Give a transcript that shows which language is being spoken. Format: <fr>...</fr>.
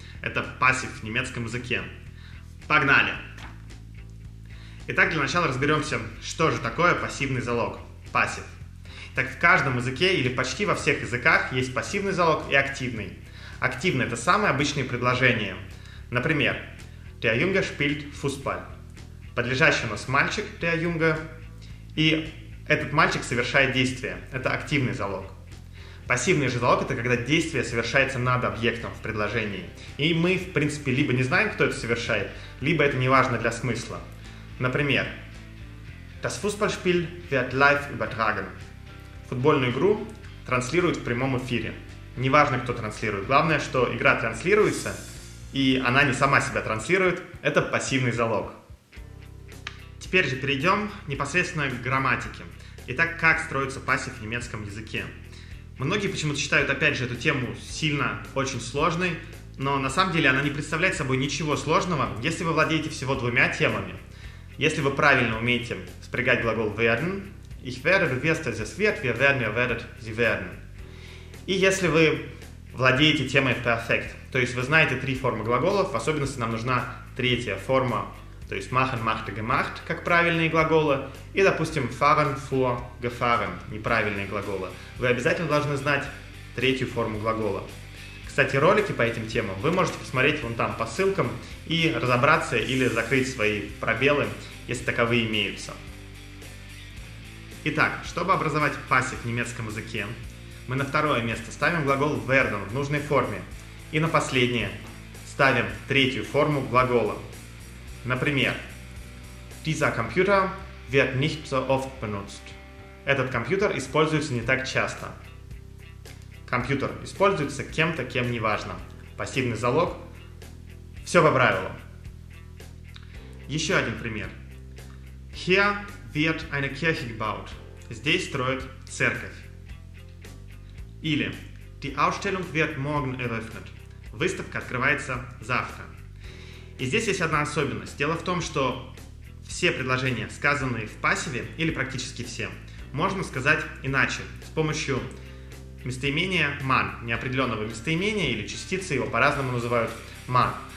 <ru>Это пассив в немецком языке. Погнали! Итак, для начала разберемся, что же такое пассивный залог. Пассив. Так в каждом языке или почти во всех языках есть пассивный залог и активный. Активный – это самые обычные предложения. Например,</ru> <de>der Junge spielt Fußball.</de> <ru>Подлежащий у нас мальчик,</ru> <de>der Junge.</de> <ru>И этот мальчик совершает действие. Это активный залог. Пассивный же залог – это когда действие совершается над объектом в предложении. И мы, в принципе, либо не знаем, кто это совершает, либо это не важно для смысла. Например,</ru> <de>das Fußballspiel wird live übertragen.</de> <ru>Футбольную игру транслируют в прямом эфире. Неважно, кто транслирует. Главное, что игра транслируется, и она не сама себя транслирует. Это пассивный залог. Теперь же перейдем непосредственно к грамматике. Итак, как строится пассив в немецком языке? Многие почему-то считают, опять же, эту тему сильно очень сложной, но на самом деле она не представляет собой ничего сложного, если вы владеете всего двумя темами. Если вы правильно умеете спрягать глагол</ru> <de>werden, ich werde, du wirst, das wird, wir werden, ihr werdet, sie werden.</de> <ru>И если вы владеете темой perfect, то есть вы знаете три формы глаголов, в особенности нам нужна третья форма, то есть</ru> <de>machen, machte, gemacht,</de> <ru>как правильные глаголы, и, допустим,</ru> <de>fahren, fuhr, gefahren,</de> <ru>неправильные глаголы. Вы обязательно должны знать третью форму глагола. Кстати, ролики по этим темам вы можете посмотреть вон там по ссылкам и разобраться или закрыть свои пробелы, если таковые имеются. Итак, чтобы образовать пассив в немецком языке, мы на второе место ставим глагол werden в нужной форме, и на последнее ставим третью форму глагола. Например,</ru> <de>dieser Computer wird nicht so oft benutzt.</de> <ru>Этот компьютер используется не так часто. Компьютер используется кем-то, кем не важно. Пассивный залог. Все по правилам. Еще один пример.</ru> <de>Hier wird eine Kirche gebaut.</de> <ru>Здесь строят церковь. Или</ru> <de>die Ausstellung wird morgen eröffnet.</de> <ru>Выставка открывается завтра. И здесь есть одна особенность. Дело в том, что все предложения, сказанные в пассиве, или практически все, можно сказать иначе, с помощью местоимения man, неопределенного местоимения или частицы, его по-разному называют man.</ru>